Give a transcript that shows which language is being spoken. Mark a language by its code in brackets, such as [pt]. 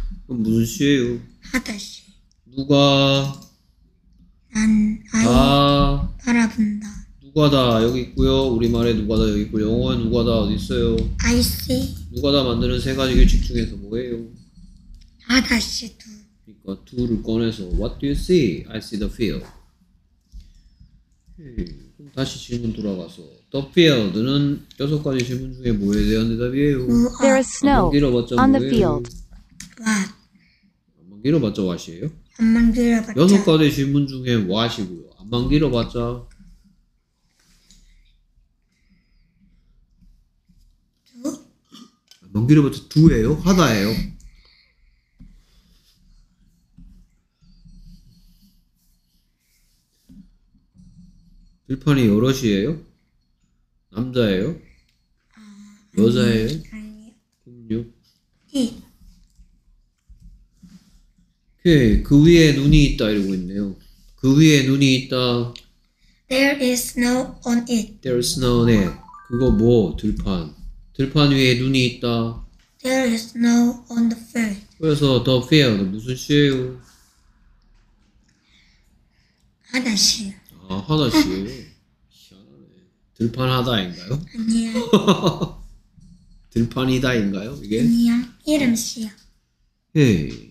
[ko] 그럼 무슨 씨예요? 하다 씨. 누가? 난 아이 다. 바라본다. 누가 다 여기 있고요. 우리말에 누가 다 여기 있고 영어에 누가 다 어디 있어요? [en] I see. [ko] 누가 다 만드는 세 가지 규칙 중에서 뭐예요? 하다 씨 두. 그러니까 두를 꺼내서 What do you see? [en] I see the field. [ko] 그럼 다시 질문 돌아가서 The field 는 여섯 가지 질문 중에 뭐에 대한 대답이에요? [en] There is snow [ko] 길어봤자 [en] on [ko] 뭐예요? [en] the field. What? [ko] 안만 길어봤자 what이에요? 안만 길어봤자 여섯 가지 질문 중에 what이고요. 안만 길어봤자 두? 안만 길어봤자 두예요? 하다예요? 들판이 여럿이에요? 남자예요? 아니, 여자예요? 아니요. 그럼요? 네. 그 위에 눈이 있다 이러고 있네요. 그 위에 눈이 있다. [en] There is snow on it. [ko] There is snow on it. 그거 뭐? 들판. 들판 위에 눈이 있다. [en] There is snow on the field. [ko] 그래서 the field 무슨 씨예요? 하다 씨요. 아, 하다 씨예요? 들판하다인가요? 아니야. 들판이다인가요? 이게? 아니야. 이름씨야. 예.